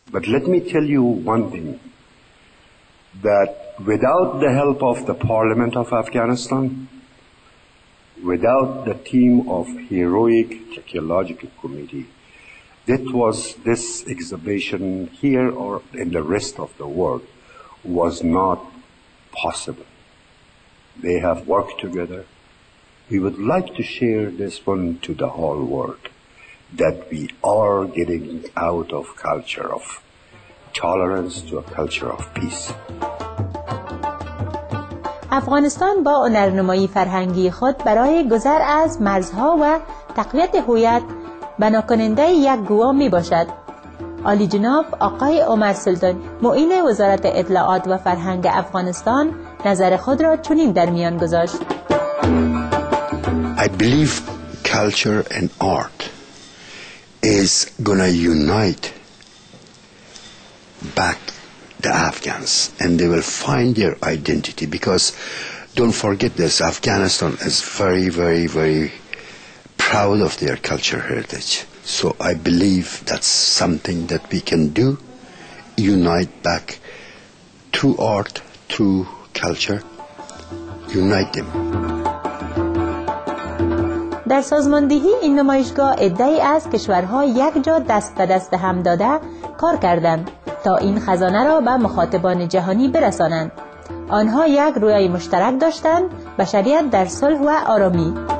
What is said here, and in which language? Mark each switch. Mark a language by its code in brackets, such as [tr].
[en] But let me tell you one thing, that without the help of the Parliament of Afghanistan, without the team of heroic archaeological committee, that was this exhibition here or in the rest of the world was not possible. They have worked together. We would like to share this one to the whole world, that we are getting out of culture of tolerance to a culture of peace. [fa] افغانستان با هنرنمایی فرهنگی خود برای گذر از مرزها و تقویت هویت بناکننده یک گواه می باشد. عالی جناب آقای عمر سلطان، معین وزارت اطلاعات و فرهنگ افغانستان، نظر خود را چنین در میان گذاشت. [en] I believe culture and art is gonna unite back the Afghans, and they will find their identity, because don't forget this, Afghanistan is very, very, very proud of their cultural heritage. So I believe that's something that we can do, unite back through art, through culture, unite them. [fa] در سازماندهی این نمایشگاه ادعی از کشورها یک جا دست به دست هم داده کار کردند تا این خزانه را به مخاطبان جهانی برسانند. آنها یک رویای مشترک داشتند: بشریت در صلح و آرامی.